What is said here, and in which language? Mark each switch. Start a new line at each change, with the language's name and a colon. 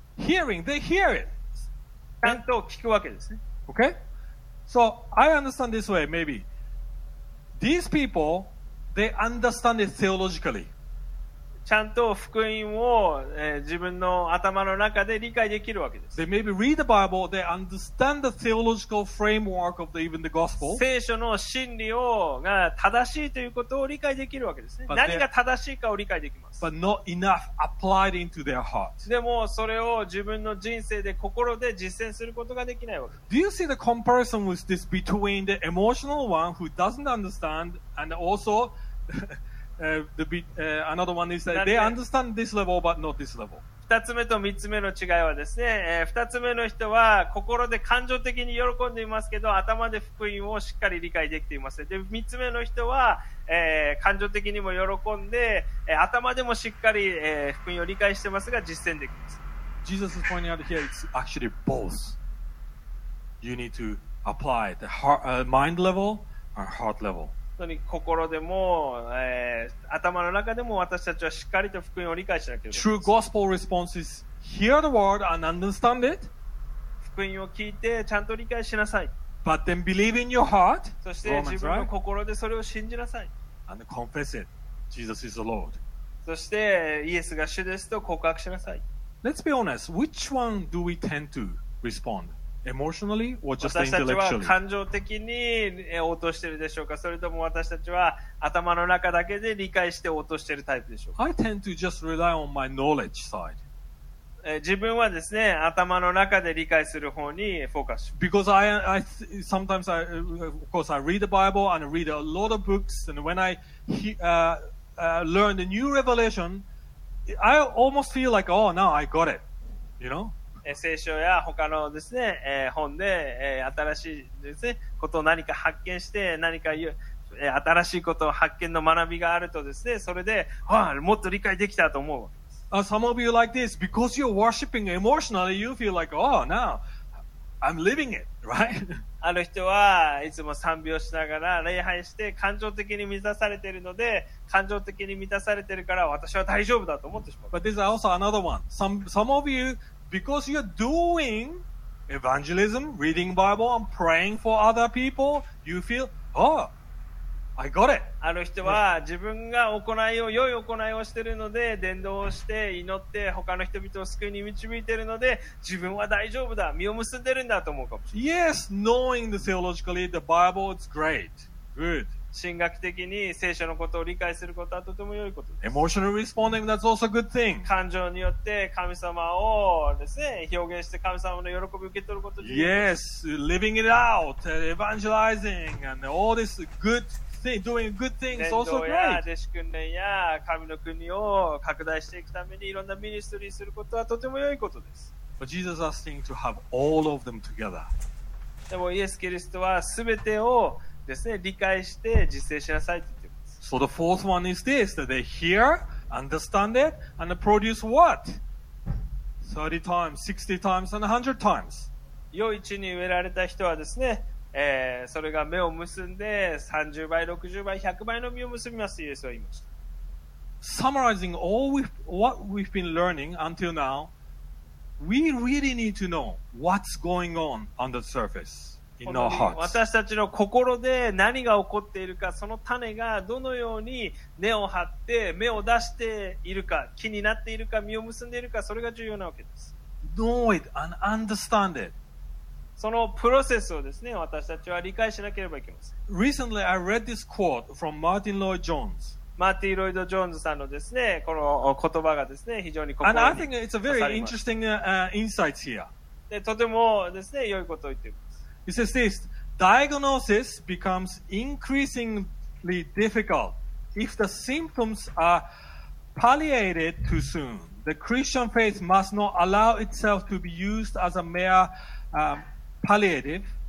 English: Hearing, they hear it.
Japanese: ちゃんと聞くわけですね。
English: Okay? So, I understand this way, maybe. These people, they understand it theologically.
Japanese: ちゃんと福音を、自分の頭の中で理解できるわけです。
English: They maybe read the Bible, they understand the theological framework of the, even the gospel.
Japanese: 聖書の真理をが正しいということを理解できるわけですね。
English: But、
Japanese: 何が正しいかを理解できます。
English: But not enough applied into their hearts.
Japanese: でもそれを自分の人生で心で実践することができないわけです。
English: Do you see the comparison with this between the emotional one who doesn't understand and also another one is that they understand this level but not this level.
Japanese: 2つ目と3つ目の違いはですね、2つ目の人は心で感情的に喜んでいますけど、頭で福音をしっかり理解できていません。で、3つ目の人は、感情的にも喜んで、頭でもしっかり、福音を理解してますが実践できます。
English: Jesus is pointing out here it's actually both. You need to apply the heart, mind level and heart level.
Japanese: 心でも、頭の中でも私たちはしっかりと福音を理解しなければ。
English: True gospel response is hear the word and understand it.
Japanese: 福音を聞いてちゃんと理解しなさい。
English: But then believe in your heart.
Japanese: そして自分の心でそれを信じなさい。
English: And confess it. Jesus is the Lord.
Japanese: そしてイエスが主ですと告白しなさい。
English: Let's be honest. Which one do we tend to respond? emotionally or just intellectually?
Japanese: 私たちは感情的に応答してるでしょうか、それとも私たちは頭の中だけで理解して応答してるタイプでしょうか。
English: I tend to just rely on my knowledge side.
Japanese: 自分はですね、頭の中で理解する方にフォーカス。
English: Because I sometimes, of course, I read the Bible and I read a lot of books, and when I learn the new revelation, I almost feel like, oh, now I got it, you know?
Japanese: 聖書や他のですね、本で、新しいですね、ことを何か発見して、何か新しいことを発見の学びがあるとですね、それで、あ、もっと理解できたと思う。
English: Some of you like this, because you're worshipping emotionally, you feel like, oh, now, I'm living it, right? ある人はいつも賛美をしながら礼拝して、感情的に満たされているので、感情的に満たされているから私は大丈夫だと思ってしまう。 But there's also another one. Some of you,Because you're doing evangelism, reading Bible and praying for other people, you feel, oh, I got it.
Japanese: ある人は自分が行いを、良い行いをしているので、伝道をして祈って他の人々を救いに導いているので、自分は大丈夫だ、身を結んでるんだと思うかもしれない。
English: Yes, knowing the theologically, the Bible is great. Good.
Japanese: 神学的に聖書のことを理解することはとても良いことです。
English: Emotionally responding, that's also a good thing.
Japanese: 感情によって神様をですね、表現して神様の喜びを受け取ること。
English: Yes, living it out, evangelizing, and all this good thing, doing good things, also great.
Japanese: 伝道や弟子訓練や神の国を拡大していくためにいろんなミニストリーすることはとても良いことです。
English: But Jesus is asking to have all of them together.
Japanese: でもイエス・キリストはすべてをですね、理解して実践しなさいと言っています
English: So the fourth one is this, that they hear, understand it, and produce what? 30 times, 60 times, and 100 times.
Japanese: 良い地に植えられた人はですね、それが芽を結んで30倍、60倍、100倍の実を結びますと、イエスは言いました。
English: Summarizing all what we've been learning until now, we really need to know what's going on under the surface.
Japanese: 私たちの心で何が起こっているか、その種がどのように根を張って芽を出しているか、木になっているか、実を結んでいるか、それが重要なわけです。
English: Know it and understand it.
Japanese: そのプロセスをですね、私たちは理解しなければいけません。 Recently I read this quote from Martin Lloyd-Jones. マーティン・ロイド・ジョーンズさんのですね、この言葉がですね、非常に心に刺さります。
English: And I think it's a very interesting insights here.
Japanese: でとてもですね、良いことを言っています。
English: It says this, diagnosis becomes increasingly difficult if the symptoms are palliated too soon. The Christian faith must not allow itself to be used as a mere palliative.